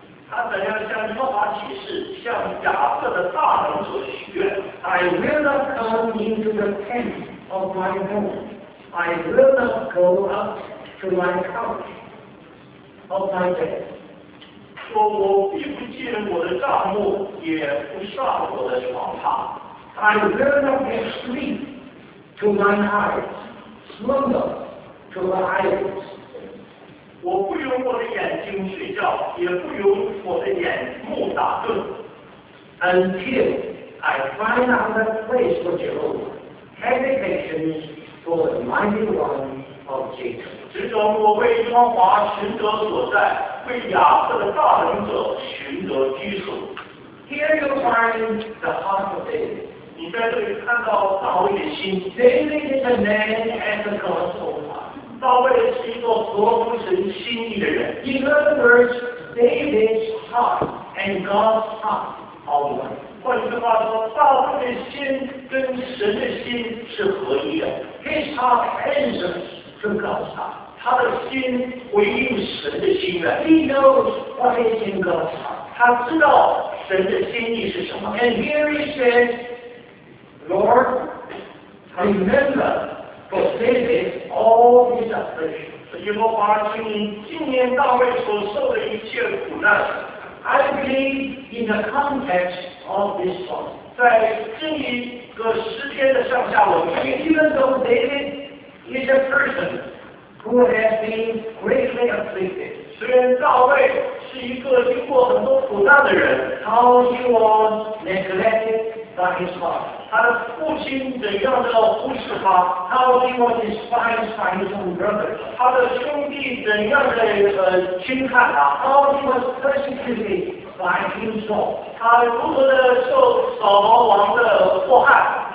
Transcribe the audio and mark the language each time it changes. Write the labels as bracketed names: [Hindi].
[Chinese] 他怎样向耶和华起誓，向雅各的大能所许愿 [English] ？I will not come into the tent of my home. I will not go up. To my couch of my bed. [Chinese] 说我必不见我的帐幕，也不上我的床榻。 [English] I will not give sleep to my eyes, slumber to my eyelids. [Chinese] 我不用我的眼睛睡觉，也不用我的眼目打盹。 [English] Until I find another place for Jehovah, habitations for the mighty one of Jacob. [Chinese] 直到我为耶和华寻得所在，为雅各的大能者寻得居所。 [English] Here you find the heart of David. [Chinese] 你在这里看到大卫的心。 [English] David is a man after God's own heart. [Chinese] 大卫是一个合乎神心意的人。 [English] In other words, David's heart and God's heart are one. [Chinese] 换句话说，大卫的心跟神的心是合一的。 [English] His heart answers. To God's heart. [Chinese] 他的心回应神的心愿。 [English] He knows what is in God's heart. [Chinese] 他知道神的心意是什么。 [English] And here he says, Lord, remember for David all his afflictions. [Chinese] 耶和华，请你纪念大卫所受的一切苦难。 [English] I believe in the context of this song. [Chinese] 在这一个诗篇的上下文。 [English] Even though David. He's a person who has been greatly afflicted. [Chinese] 虽然大卫是一个经过很多苦难的人 [English] ，how he was neglected by his father. [Chinese] 他的父亲怎样的忽视他 [English] ？How he was despised by his own brother. [Chinese] 他的兄弟怎样的轻看他 [English] ？How he was persecuted by himself. [Chinese] 他如何的受扫罗王的迫害